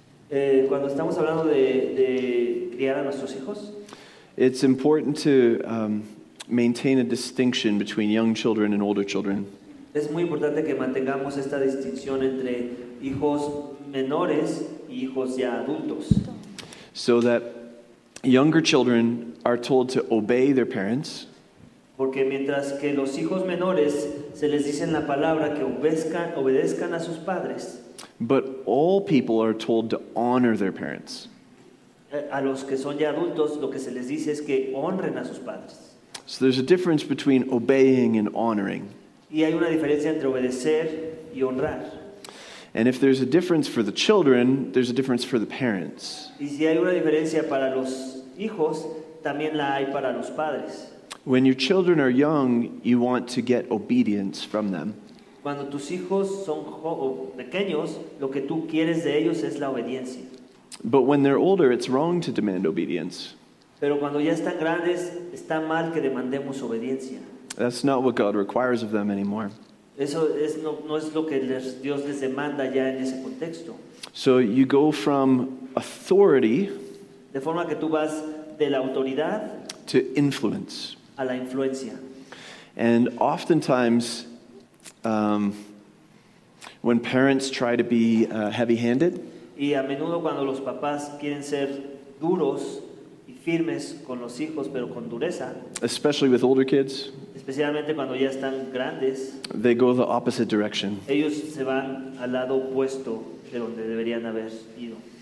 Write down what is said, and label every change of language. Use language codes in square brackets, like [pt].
[es] cuando estamos hablando de criar a nuestros hijos, [en] it's important to maintain a distinction between young children and older children. [es] Es muy importante que mantengamos esta distinción entre hijos menores y hijos ya adultos. [en] So that younger children are told to obey their parents. [es] Porque mientras que los hijos menores se les dice en la palabra que obedezcan a sus padres. [en] But all people are told to honor their parents. [es] A los que son ya adultos, lo que se les dice es que honren a sus padres. [en] So there's a difference between obeying and honoring. [es] Y hay una diferencia entre obedecer y honrar. [en] And if there's a difference for the children, there's a difference for the parents. [es] Y si hay una diferencia para los hijos, también la hay para los padres. [en] When your children are young, you want to get obedience from them. [es] Cuando tus hijos son pequeños, lo que tú quieres de ellos es la obediencia. [en] But when they're older, it's wrong to demand obedience. [es] Pero cuando ya están grandes, está mal que demandemos obediencia. [en] That's not what God requires of them anymore. [es] Eso es no es lo que Dios les demanda ya en ese contexto. [en] So you go from authority, [es] de forma que tú vas de la autoridad, [en] to influence. [es] A la influencia. [en] And oftentimes, when parents try to be heavy-handed, [es] y a menudo cuando los papás quieren ser duros y firmes con los hijos, pero con dureza, [en] especially with older kids, [es] especialmente cuando ya están grandes, [en] they go the opposite direction. [es] Ellos se van al lado opuesto de donde deberían haber ido.